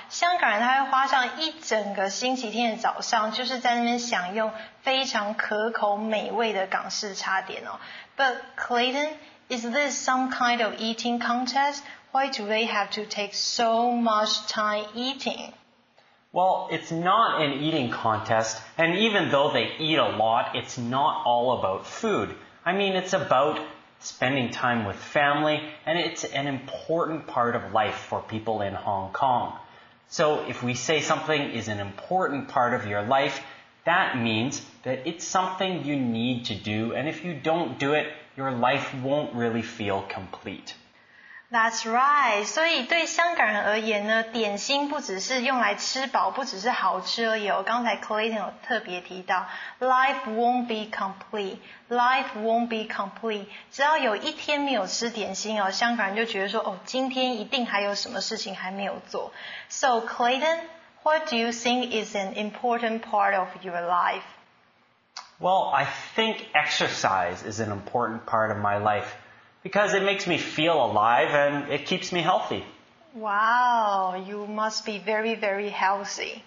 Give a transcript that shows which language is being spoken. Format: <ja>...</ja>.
<zh>香港人他会花上一整个星期天的早上就是在那边享用非常可口美味的港式茶点哦。</zh> <en>But Clayton, is this some kind of eating contest? Why do they have to take so much time eating? Well, it's not an eating contest, and even though they eat a lot, it's not all about food. I mean, it's about... spending time with family, and it's an important part of life for people in Hong Kong. So if we say something is an important part of your life, that means that it's something you need to do, and if you don't do it, your life won't really feel complete. That's right.</en> <zh>所以对香港人而言呢，点心不只是用来吃饱，不只是好吃而已哦。刚才 Clayton 有特别提到 ，</zh> <en>life won't be complete. Life won't be complete.</en> <zh>只要有一天没有吃点心哦，香港人就觉得说，哦，今天一定还有什么事情还没有做。</zh> <en>So Clayton, what do you think is an important part of your life? Well, I think exercise is an important part of my life. Because it makes me feel alive and it keeps me healthy. Wow, you must be very, very healthy.</en>